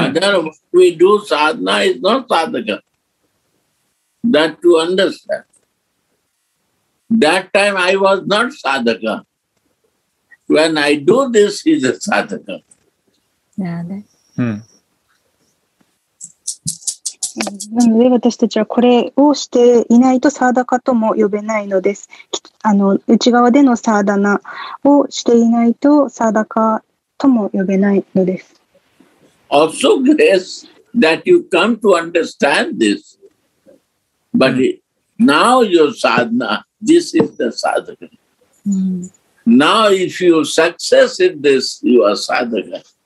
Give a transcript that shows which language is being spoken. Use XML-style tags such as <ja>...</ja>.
<en>That we do sadhana is not sadaka. That to understand. That time I was not sadaka. When I do this is a sadaka.</en> <ja>なので私たちはこれをしていないとサーダカとも呼べないのです。あの内側でのサーダナをしていないとサーダカとも呼べないのです。</ja> <en>Also grace that you come to understand this. But now your sadhana, this is the sadhana. Now if you success in this, you are sadhana.</en>